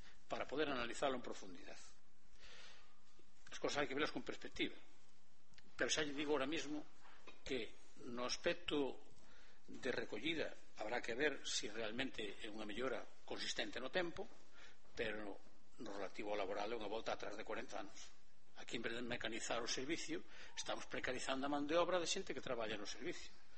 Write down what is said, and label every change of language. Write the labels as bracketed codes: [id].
[es] para poder analizarlo en profundidad. Las cosas hay que verlas con perspectiva. [gl] Pero xa digo [es] ahora mismo [gl] que no aspecto de recollida habrá que ver si realmente é unha mellora consistente no tempo, pero no relativo ao laboral é unha volta atrás de 40 anos. Aquí, en vez de mecanizar o servicio, estamos precarizando a man de obra de xente que traballa no servicio.